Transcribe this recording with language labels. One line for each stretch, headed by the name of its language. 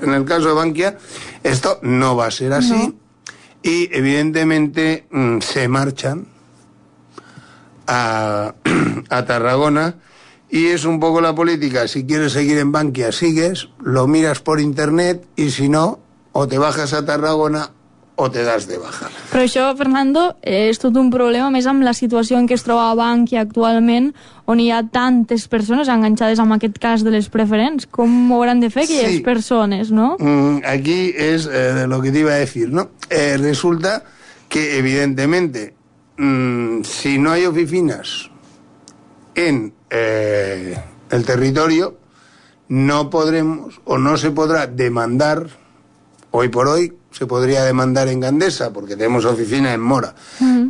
Spanish: En el caso de Bankia, esto no va a ser así, uh-huh. y evidentemente se marchan a Tarragona, y es un poco la política, si quieres seguir en Bankia, sigues, lo miras por internet, y si no, o te bajas a Tarragona o te das de baja.
Catalan: Però això, Fernando, és tot un problema, més amb la situació en què es troba Bankia actualment, on hi ha tantes persones enganxades amb aquest cas de les preferents. Com ho hauran de fer aquelles persones, no? Aquí és
Spanish: lo que te iba a decir, ¿no? Resulta que, evidentemente, si no hay oficinas en el territorio, no podremos o no se podrá demandar, hoy por hoy se podría demandar en Gandesa, porque tenemos oficina en Mora. Uh-huh.